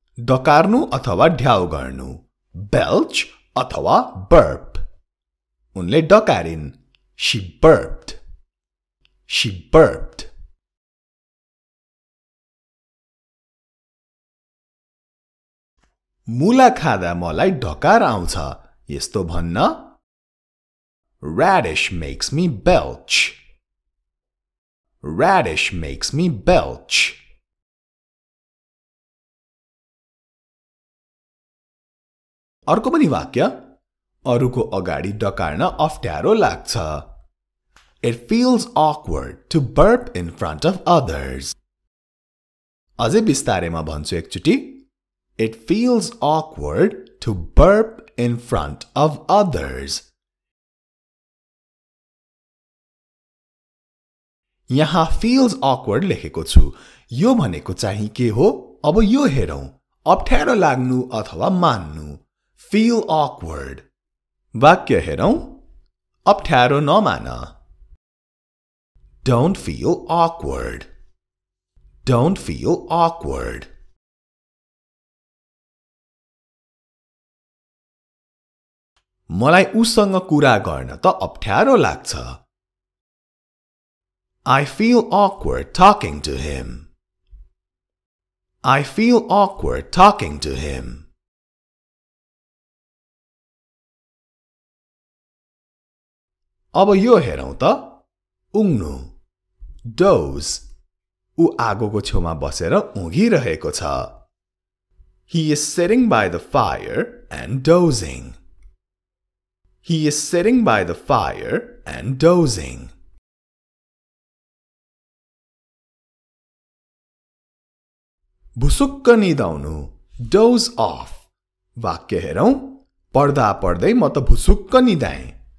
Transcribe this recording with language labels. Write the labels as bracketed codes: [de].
[ne] डकार्नु अथवा ढ्याउ गर्नु। [en] Belch अथवा burp। [ne] उनले डकारिन। [en] She burped. She burped. [ne] मूला खादा मलाई डकार आउँछ। यस्तो भन्न। [en] Radish makes me belch. Radish makes me belch. [ne] अर्को पनि वाक्य। अरूको अगाडि डकार्न अप्ठ्यारो लाग्छ। [en] It feels awkward to burp in front of others. [ne] अझै बिस्तारैमा भन्छु एकचोटि। [en] It feels awkward to burp in front of others. [ne] यहाँ feels awkward लेखेको छु। यो भनेको चाहिँ के हो? अब यो हेरौं। अप्ठ्यारो लाग्नु अथवा मान्नु। [en] Feel awkward. [ne] वाक्य हेरौं। अप्ठ्यारो नमान। [en] Don't feel awkward. Don't feel awkward. [ne] मलाई उसँग कुरा गर्न त अप्ठ्यारो लाग्छ। [en] I feel awkward talking to him. I feel awkward talking to him. [ne] अब यो हेरौं त उंग्नु डोज उ आगोको छेउमा बसेर उंगिरहेको छ. [en] He is sitting by the fire and dozing. He is sitting by the fire and dozing. [ne] भुसुक्क निदाउनु dose of वाक्य हेरौं पढ्दा पढ्दै म त भुसुक्क निदाएँ.